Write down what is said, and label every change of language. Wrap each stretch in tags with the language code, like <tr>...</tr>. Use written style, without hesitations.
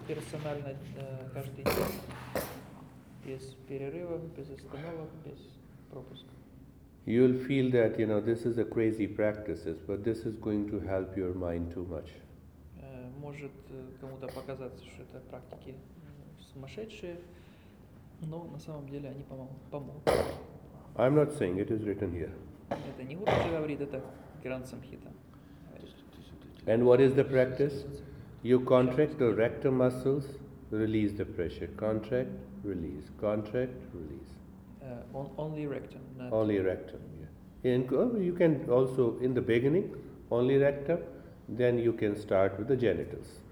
<ru>Персонально каждый день без перерыва, без остановок, без пропуска.</ru> <en>You will feel that you know this is a crazy practice, but this is going to help your mind too much.</en> <ru>Может кому-то показаться, что это практики сумасшедшие, но на самом деле они помогут.</ru> <en>I'm not saying it is written here.</en> <ru>Это не Гуру говорит, это Гранд Самхита.</ru> <en>And what is the practice? You contract the rectum muscles, release the pressure. Contract, release. Contract, release. Only rectum. Only rectum, yeah. And you can also, in the beginning, only rectum, then you can start with the genitals.</en>